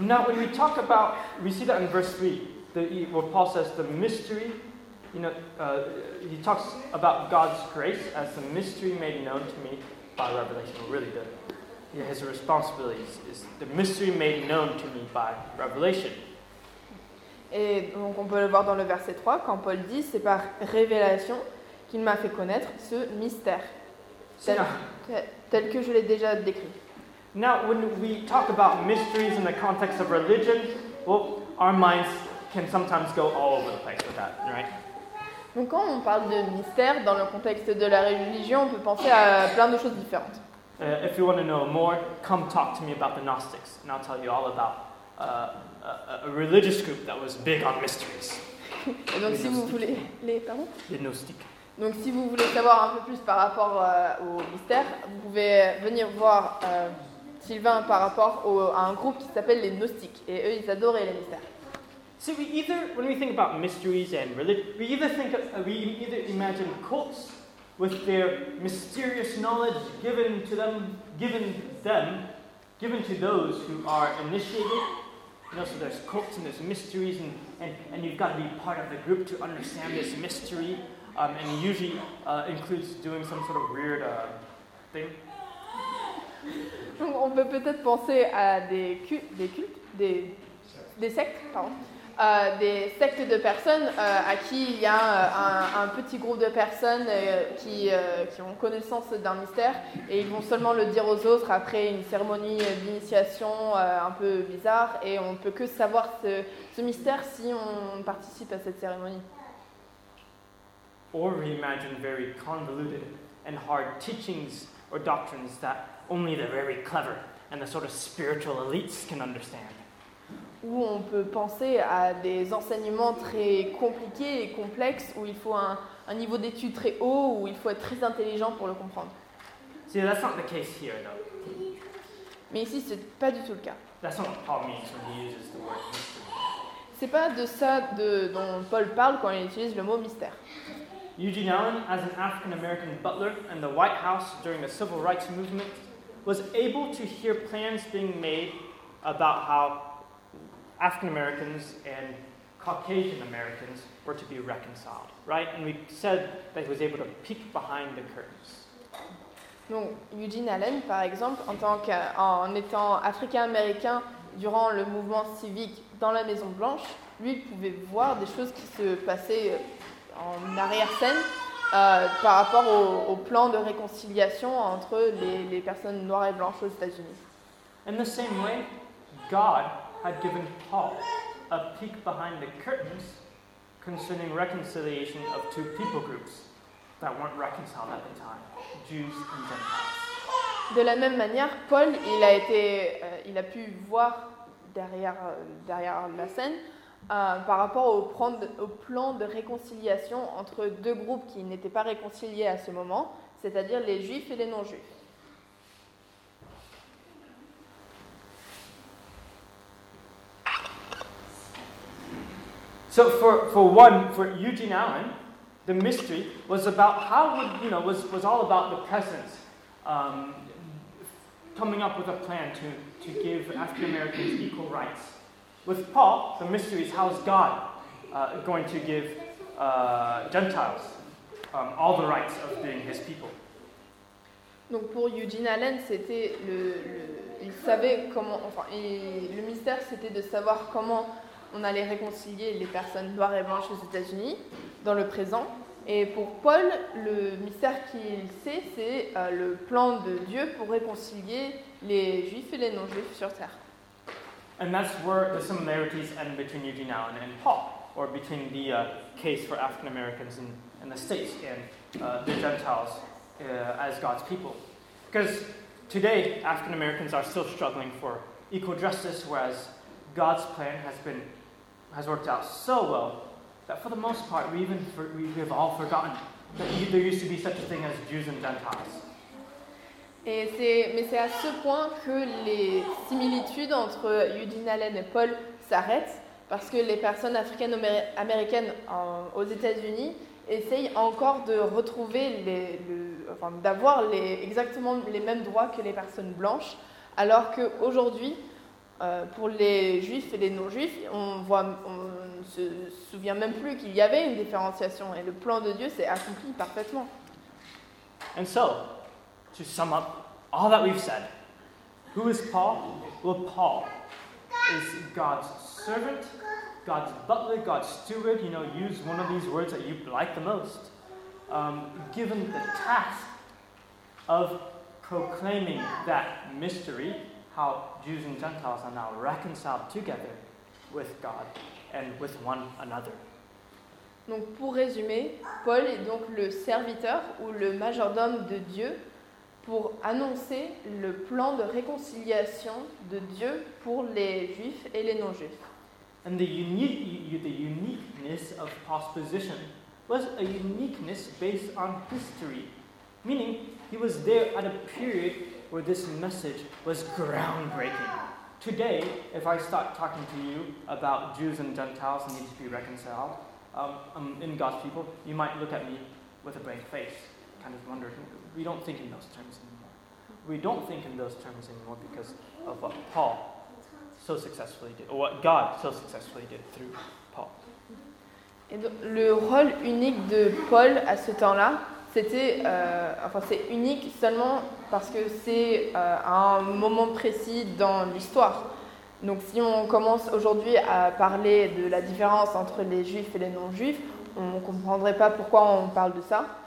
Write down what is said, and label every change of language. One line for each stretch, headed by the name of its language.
English: Now, when we talk about, we see that in verse 3, where Paul says the mystery, you know, he talks about God's grace as the mystery made known to me by revelation. Really, his responsibility is the mystery made known to me by revelation.
French: Et donc on peut le voir dans le verset 3 quand Paul dit c'est par révélation qu'il m'a fait connaître ce mystère tel que je l'ai déjà décrit.
English: Now when we talk about mysteries in the context of religion, well, our minds can sometimes go all over the place with that, right?
French: Donc quand on parle de mystère dans le contexte de la religion, on peut penser à plein de choses différentes.
English: If you want to know more, come talk to me about the Gnostics and I'll tell you all about a religious group that was big on mysteries.
French: Et donc, si vous voulez, pardon. Les gnostiques. Donc, si vous voulez savoir un peu plus par rapport aux mystères, vous pouvez venir voir Sylvain par rapport à un groupe qui s'appelle les gnostiques. Et eux, ils adoraient les mystères.
English: So we either, when we think about mysteries and religion, we either think of, we either imagine cults with their mysterious knowledge given to those who are initiated. You know, so there's cults and there's mysteries and you've got to be part of the group to understand this mystery and usually includes doing some sort of weird thing.
French: On peut peut-être penser à des sectes de personnes à qui il y a un petit groupe de personnes qui ont connaissance d'un mystère et ils vont seulement le dire aux autres après une cérémonie d'initiation un peu bizarre et on ne peut que savoir ce mystère si on participe à cette cérémonie.
English: Or we imagine very convoluted and hard teachings or doctrines that only the very clever and the sort of spiritual elites can understand.
French: Où on peut penser à des enseignements très compliqués et complexes, où il faut un niveau d'études très haut, où il faut être très intelligent pour le comprendre.
English: See, that's not the case here, though.
French: Mais ici, ce n'est pas du tout le cas.
English: That's not what Paul means when he uses the word mystery.
French: C'est pas de ça de, dont Paul parle quand il utilise le mot mystère.
English: Eugene Allen, as an African-American butler in the White House during the Civil Rights Movement, was able to hear plans being made about how African-Americans and Caucasian-Americans were to be reconciled, right? And we said that he was able to peek behind the curtains.
French: Donc, Eugene Allen, par exemple, en tant que, en étant Africain-Américain durant le mouvement civique dans la Maison Blanche, lui pouvait voir des choses qui se passaient en arrière-scène par rapport au, au plan de réconciliation entre les personnes noires et blanches aux États-Unis.
English: In the same way, God had given Paul a peek behind the curtains concerning reconciliation of two people groups that weren't reconciled at the time, Jews and Gentiles.
French: De la même manière, Paul, il a été, il a pu voir derrière, derrière la scène par rapport au, prendre, au plan de réconciliation entre deux groupes qui n'étaient pas réconciliés à ce moment, c'est-à-dire les Juifs et les non-Juifs.
English: So for one, for Eugene Allen, the mystery was about how would, you know, was all about the presence, coming up with a plan to give African Americans equal rights. With Paul, the mystery is how is God going to give Gentiles all the rights of being his people.
French: Donc pour Eugene Allen, c'était il savait comment, enfin, et le mystère c'était de savoir comment on allait réconcilier les personnes noires et blanches aux États-Unis dans le présent. Et pour Paul, le mystère qu'il sait, c'est le plan de Dieu pour réconcilier les Juifs et les non-Juifs sur Terre.
English: And that's where the similarities end between Eugene Allen and Paul, or between the case for African Americans in the States and the Gentiles as God's people. Because today, African Americans are still struggling for equal justice, whereas God's plan has worked out so well that for the most part, we have all forgotten that there used to be such a thing as Jews and Gentiles.
French: Et c'est, mais c'est à ce point que les similitudes entre Eugene Allen et Paul s'arrêtent, parce que les personnes africaines-américaines aux États-Unis essayent encore de retrouver d'avoir exactement les mêmes droits que les personnes blanches, alors qu'aujourd'hui, pour les juifs et les non-juifs, on ne se souvient même plus qu'il y avait une différenciation et le plan de Dieu s'est accompli parfaitement.
English: And so, to sum up all that we've said, who is Paul? Well, Paul is God's servant, God's butler, God's steward, you know, use one of these words that you like the most, given the task of proclaiming that mystery, how Jews and Gentiles are now reconciled together with God and with one another.
French: Donc pour résumer, Paul est donc le serviteur ou le majordome de Dieu pour annoncer le plan de réconciliation de Dieu pour les Juifs et les non-Juifs.
English: And the uniqueness of Paul's position was a uniqueness based on history, meaning he was there at a period where this message was groundbreaking. Today, if I start talking to you about Jews and Gentiles and need to be reconciled in God's people, you might look at me with a blank face, kind of wondering. We don't think in those terms anymore. We don't think in those terms anymore because of what Paul so successfully did, or what God so successfully did through Paul.
French: Et donc, le rôle unique de Paul à ce temps-là, c'était, c'est unique seulement parce que c'est un moment précis dans l'histoire. Donc si on commence aujourd'hui à parler de la différence entre les Juifs et les non-Juifs, on ne comprendrait pas pourquoi on parle de ça.